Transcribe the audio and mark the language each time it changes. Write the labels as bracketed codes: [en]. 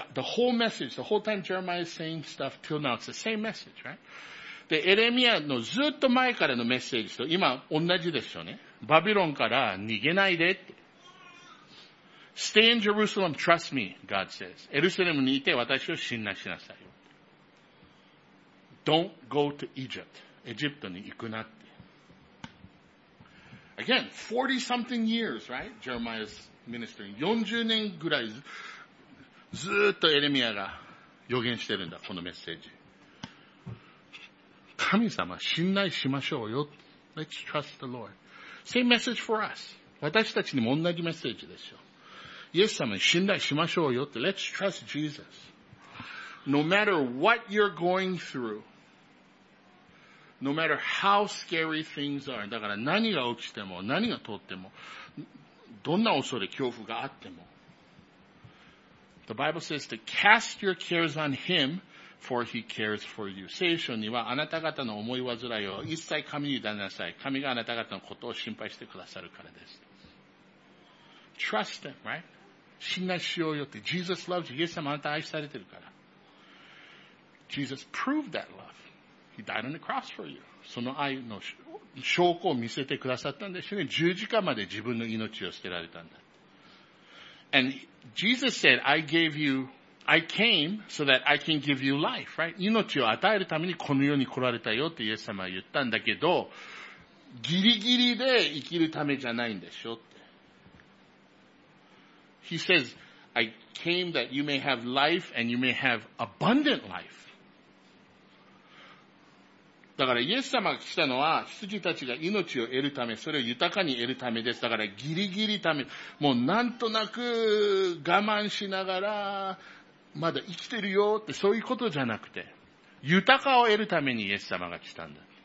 [en] The whole message, the whole time Jeremiah is saying stuff till now, it's the same message, right? [ja] で、エレミアのずっと前からのメッセージと今同じですよね。バビロンから逃げないでって。 [en] Stay in Jerusalem, trust me, God says. [ja] エルサレムにいて私を信頼しなさい。 [en] Don't go to Egypt. [ja] エジプトに行くなって。 [en] Again, 40-something years, right? Jeremiah's ministering. [ja] 40年ぐらいずっとエレミアが予言してるんだ、このメッセージ。神様、信頼しましょうよ。 [en] Let's trust the Lord. Same message for us. [ja] 私たちにも同じメッセージですよ。イエス様に信頼しましょうよって。 [en] Let's trust Jesus. No matter what you're going through, no matter how scary things are, [ja] だから何が起きても、何が通っても、どんな恐れ、恐怖があっても。 [en] The Bible says to cast your cares on Him,For he cares for you. [ja] 聖書にはあなた方の思い煩いを一切神に委ねなさい。神があなた方のことを心配してくださるからです。 [en] Trust him, right? [ja] 信頼しようよって。 [en] Jesus loves you. [ja] イエス様あなた愛されてるから。 [en] Jesus proved that love. He died on the cross for you. [ja] その愛の証拠を見せてくださったんですよね。十字架まで自分の命を捨てられたんだ。 [en] And Jesus said, I gave youI came so that I can give you life, right? [ja] 命を与えるためにこの世に来られたよってイエス様は言ったんだけど、ギリギリで生きるためじゃないんでしょって。 [en] He says, I came that you may have life and you may have abundant life. [ja] だからイエス様が来たのは、羊たちが命を得るため、それを豊かに得るためです。だからギリギリため、もうなんとなく我慢しながら、まだ生きてるよってそういうことじゃなくて、豊かを得るためにイエス様が来たんだ。